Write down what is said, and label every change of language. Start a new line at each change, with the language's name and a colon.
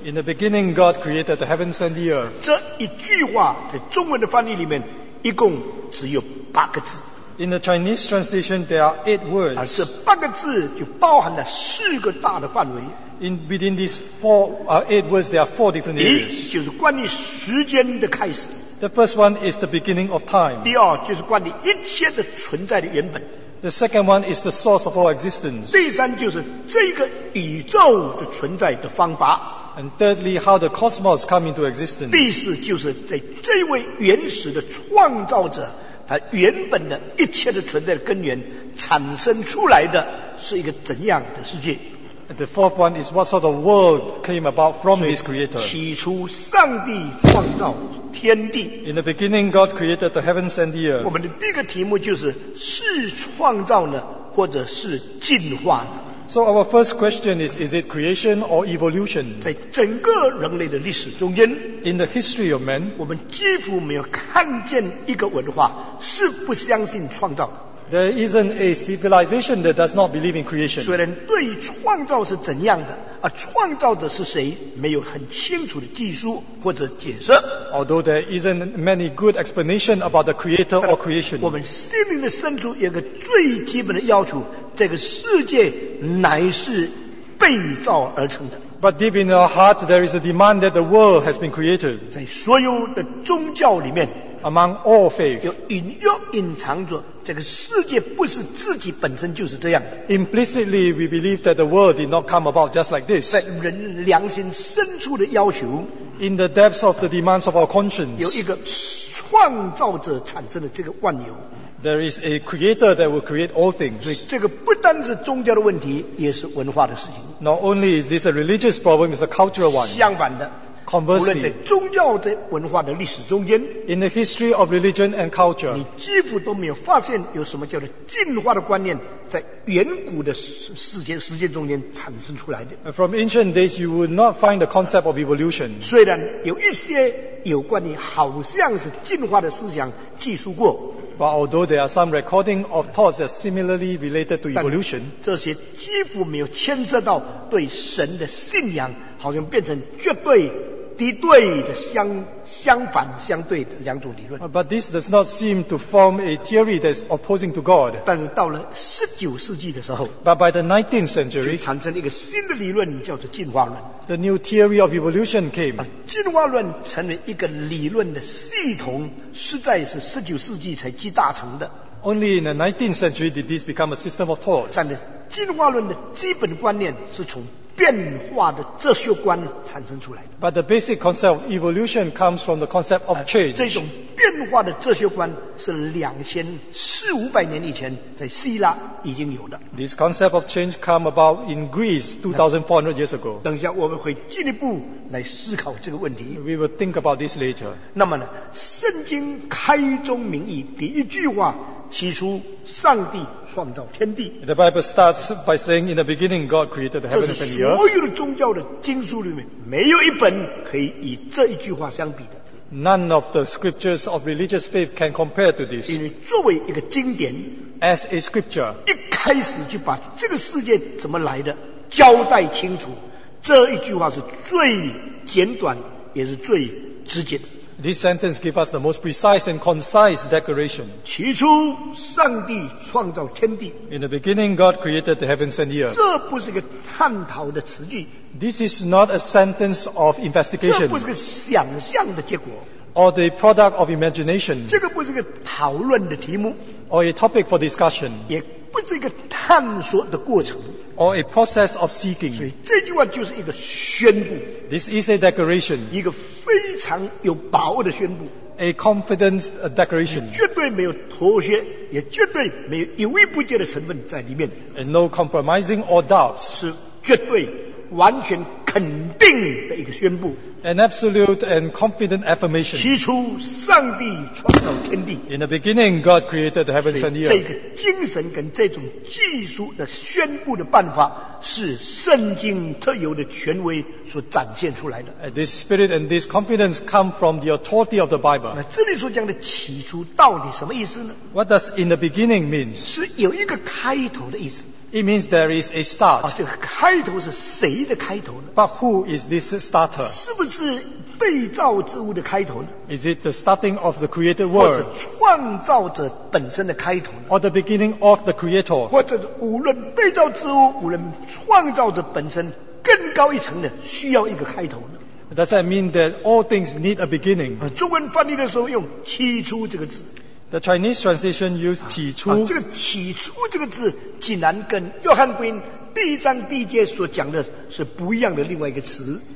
English: In the beginning God created the heavens and the earth
Chinese: 这一句话在中文的翻译里面一共只有八个字
English: In the Chinese translation there are 8 words
Chinese: 而这八个字就包含了四个大的范围
English: In within these four, eight words, there are four different areas.
Chinese: 第一就是关于时间的开始。
English: The first one is the beginning of time.
Chinese: 第二就是关于一切的存在的原本。
English: The second one is the source of all existence.
Chinese: 第三就是这个宇宙的存在的方法。
English: And thirdly, how the cosmos come into existence.
Chinese: 第四就是在这位原始的创造者他原本的一切的存在的根源产生出来的是一个怎样的世界。
English: And the fourth one is what sort of world came about from his creator.
Chinese: 起初上帝创造天地。
English: In the beginning, God created the heavens and the earth.
Chinese: 我们的第一个题目就是是创造呢，或者是进化呢？
English: So our first question is it creation or evolution?
Chinese: 在整个人类的历史中间
English: ，In the history of man,
Chinese: 我们几乎没有看见一个文化是不相信创造的。
English: There isn't a civilization that does not believe in creation.
Chinese: 虽然对于创造是怎样的，而创造者是谁，没有很清楚的记述或者解释。
English: Although there isn't many good explanation about the creator or creation.
Chinese: 我们心灵的深处有个最基本的要求，这个世界乃是被造而成的。
English: But deep in our hearts, there is a demand that the world has been created.
Chinese: 在所有的宗教里面。
English: Among all faith,
Chinese: 有隐约隐藏着这个世界不是自己本身就是这样的。
English: Implicitly, we believe that the world did not come about just like this.
Chinese: 在人良心深处的要求
English: ，in the depths of the demands of our conscience,
Chinese: 有一个创造者产生的这个万有。
English: There is a creator that will create all things.
Chinese: 所以这个不单是宗教的问题，也是文化的事情。
English: Not only is this a religious problem, it's a cultural one.
Chinese: 相反的。
English: Conversely,
Chinese: 无论在宗教在文化的历史中间
English: In the history of religion and culture
Chinese: 你几乎都没有发现有什么叫做进化的观念在远古的世界中间产生出来的
English: From ancient days you would not find the concept of evolution
Chinese: 虽然有一些有关于好像是进化的思想记述过
English: But although there are some recording of thoughts that are similarly related to evolution
Chinese: 这些几乎没有牵涉到对神的信仰好像变成绝对敌对的相反相对的两种理论。
English: But this does not seem to form a theory that is opposing to God.
Chinese: 但是到了19世纪的时候
English: ，But by the 19th century，
Chinese: 就产生一个新的理论，叫做进化论。
English: The new theory of evolution came.
Chinese: 进化论成为一个理论的系统，实在是19世纪才集大成的。
English: Only in the 19th century did this become a system of thought.
Chinese: 但是进化论的基本观念是从变化的哲学观产生出来的。
English: But the basic concept of evolution comes from the concept of change.
Chinese: 这种变化的哲学观是2400-2500年以前在希腊已经有的。
English: This concept of change came about in Greece 2400 years ago.
Chinese: 等一下我们会进一步来思考这个问题。
English: We will think about this later.
Chinese: 那么呢，圣经开宗明义第一句话。起初上帝创造天地
English: The Bible starts by saying In the beginning God created the heavens and the earth
Chinese: 这是所有的宗教的经书里面没有一本可以与这一句话相比的
English: None of the scriptures of religious faith can compare to this
Chinese: 因为作为一个经典
English: As a scripture
Chinese: 一开始就把这个世界怎么来的交代清楚这一句话是最简短也是最直接的
English: This sentence gives us the most precise and concise declaration.
Chinese: 起初上帝创造天地。
English: In the beginning, God created the heavens and the earth.
Chinese: 这不是一个探讨的词句。
English: This is not a sentence of investigation.
Chinese: 这不是个想象的结果。
English: Or the product of imagination.
Chinese: 这个不是个讨论的题目。
English: Or a topic for discussion.
Chinese: 也不是一个探索的过程。
English: Or a process of seeking.
Chinese: 所以这句话就是一个宣布。
English: This is a declaration.
Chinese: 一个非常有把握的宣布。
English: A confident declaration.
Chinese: 绝对没有妥协，也绝对没有犹豫不决的成分在里面。
English: And no compromising or doubts.
Chinese: 是绝对完全肯定的一个宣布。
English: An absolute and confident affirmation.
Chinese: 起初，上帝创造天地。
English: In the beginning, God created the heavens and the earth.
Chinese: 这个精神跟这种技术的宣布的办法，是圣经特有的权威所展现出来的。
English: This spirit and this confidence come from the authority of the Bible.
Chinese: 那这里所讲的起初到底什么意思呢？
English: What does in the beginning mean?
Chinese: 是有一个开头的意思。
English: It means there is a start.
Chinese: 啊，这个开头是谁的开头呢？
English: But who is this starter?
Chinese: 是不是被造之物的开头呢？
English: Is it the starting of the created world?
Chinese: 或者创造者本身的开头呢？
English: Or the beginning of the creator?
Chinese: 或者无论被造之物，无论创造者本身，更高一层的需要一个开头呢？
English: Does that mean that all things need a beginning?
Chinese: 啊，中文翻译的时候用起初这个字。
English: The Chinese translation used 起初。
Chinese: 啊，这个起初这个字竟然跟约翰福音第一章第一节所讲的是不一样的另外一个词。